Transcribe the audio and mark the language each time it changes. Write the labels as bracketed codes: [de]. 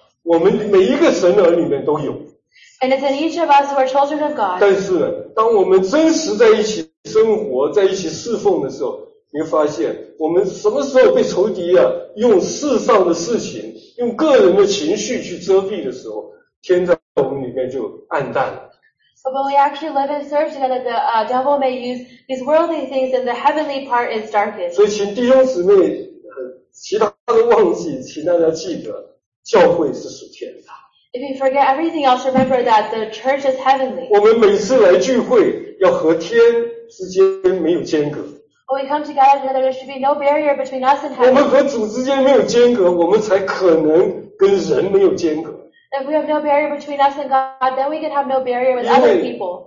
[zh] 我们每一个神儿里面都有。 [en] And it's in each of us who are children of God. [zh] 但是当我们真实在一起生活，在一起侍奉的时候，你会发现我们什么时候被仇敌啊用世上的事情，用个人的情绪去遮蔽的时候，天在我们里面就暗淡了。 [en] But when we actually live and serve together, the devil may use these worldly things and the heavenly part is darkened. [zh] 所以请弟兄姊妹，其他的忘记，请大家记得教会是属天的。 [en] If you forget everything else, remember that the church is heavenly. [zh] 我们每次来聚会要和天之间没有间隔。 [en] When we come together, there should be no barrier between us and heaven. [zh] 我们和主之间没有间隔，我们才可能跟人没有间隔。 [en] If we have no barrier between us and God, then we can have no barrier with other people.